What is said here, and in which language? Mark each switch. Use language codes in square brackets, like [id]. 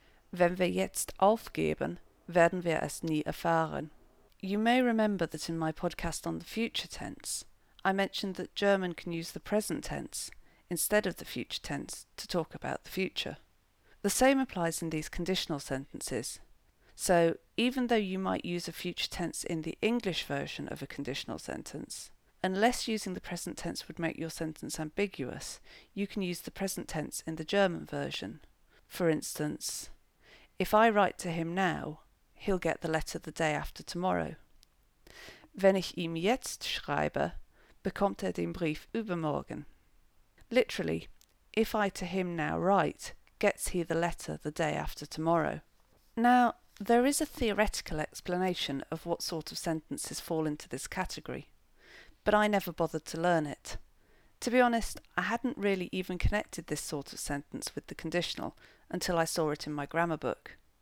[de] Wenn wir jetzt aufgeben, werden wir es nie erfahren. [en] You may remember that in my podcast on the future tense, I mentioned that German can use the present tense instead of the future tense to talk about the future. The same applies in these conditional sentences. So, even though you might use a future tense in the English version of a conditional sentence, unless using the present tense would make your sentence ambiguous, you can use the present tense in the German version. For instance, if I write to him now, he'll get the letter the day after tomorrow. [de] Wenn ich ihm jetzt schreibe, bekommt den Brief übermorgen. [en] Literally, if I to him now write, gets he the letter the day after tomorrow. Now, there is a theoretical explanation of what sort of sentences fall into this category, but I never bothered to learn it. To be honest, I hadn't really even connected this sort of sentence with the conditional until I saw it in my grammar book.